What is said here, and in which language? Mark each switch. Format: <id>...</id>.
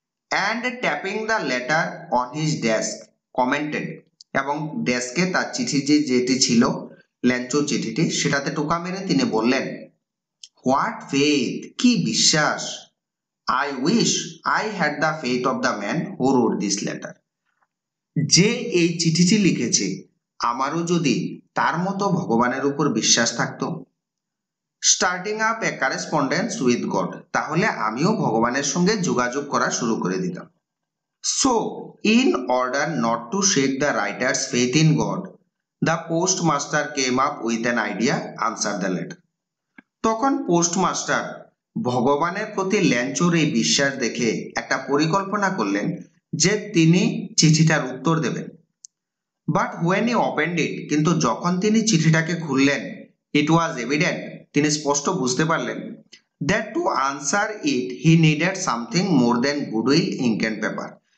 <en>and tapping the letter on his desk commented,</en> <bn>এবং ডেস্কে তার চিঠি যেটি ছিল ল্যাংচো চিঠিটি সেটাতে টোকা মেরে তিনি বললেন,</bn> <en>what faith,</en> <bn>কি বিশ্বাস,</bn> <en>I wish I had the faith of the man who wrote this letter,</en> <bn>যে এই চিঠিটি লিখেছে আমারও যদি তার মতো ভগবানের উপর বিশ্বাস থাকতো।</bn> <en>starting up a correspondence with God,</en> <bn>তাহলে আমিও ভগবানের সঙ্গে যোগাযোগ করা শুরু করে দিতাম।</bn> <en>So, in order not to shake the writer's faith in God, the postmaster came up with an idea, answered the letter.</en> <bn>তখন পোস্টমাস্টার ভগবানের প্রতি ল্যাংচোর এই বিশ্বাস দেখে একটা পরিকল্পনা করলেন যে তিনি চিঠিটার উত্তর দেবেন।</bn> <en>but when he opened it,</en> <bn>কিন্তু যখন তিনি চিঠিটাকে খুললেন,</bn> <en>it was evident,</en> <bn>তিনি স্পষ্ট বুঝতে পারলেন</bn> <en>That to answer it he needed something more than good will ink and paper.</en>